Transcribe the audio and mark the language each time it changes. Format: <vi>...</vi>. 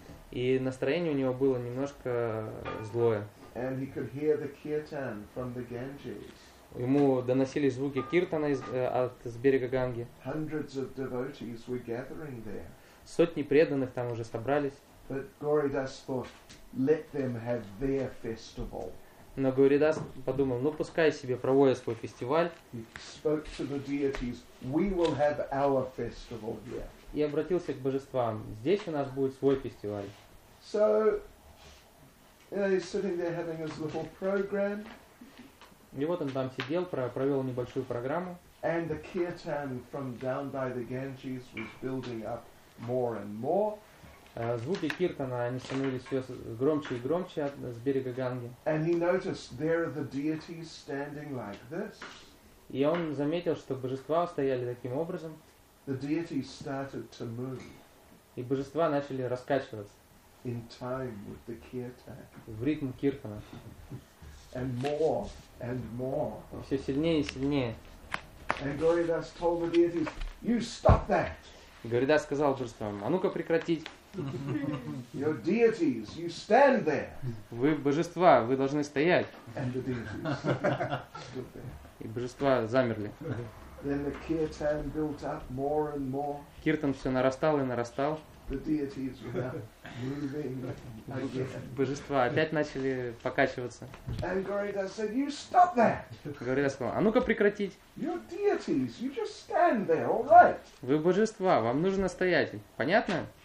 <ru>И настроение у него было немножко злое.</ru> <en>And he could hear the kirtan from the Ganges.</en> <ru>Ему доносились звуки киртана от берега Ганги.</ru> <en>Hundreds of devotees were gathering there.</en> <ru>Сотни преданных там уже собрались.</ru> <en>But Gauridas thought, let them have their festival.</en> <ru>Но Гауридас подумал, ну пускай себе проводят свой фестиваль.</ru> <en>Spoke to the deities, we will have our festival here.</en> <ru>И обратился к божествам, здесь у нас будет свой фестиваль.</ru> <en>So, you know, he's sitting there having his little program.</en> <ru>И вот он там сидел, провел небольшую программу.</ru> <en>And the kirtan from down by the Ganges was building up more and more.</en> <ru>Звуки киртана, они становились все громче и громче с берега Ганги.</ru> <en>And he noticed there are the deities standing like this.</en> <ru>И он заметил, что божества стояли таким образом.</ru> <en>The deities started to move.</en> <ru>И божества начали раскачиваться.</ru> <en>In time with the kirtan.</en> <ru>В ритм киртана.</ru> <en>And more and more.</en> <ru>И все сильнее и сильнее.</ru> <en>And Gauridas told the deities, "You stop that."</en> <ru>И Гауридас сказал божествам, "А ну-ка прекратить."</ru> <en>Your deities, you stand there.</en> <ru>Вы божества, вы должны стоять.</ru> <en>And the deities stood there.</en> <ru>И божества замерли.</ru> <en>Then the kirtan built up more and more.</en> <ru>Киртан все нарастал и нарастал.</ru> <en>The deities were moving again.</en> <ru>Божества опять начали покачиваться.</ru> <en>And Gauridas said, "You stop that."</en> <ru>Гауридас сказал, "А ну-ка прекратить."</ru> <en>Your deities, you just stand there, all right?</en> <ru>Вы божества, вам нужно стоять, понятно?</ru>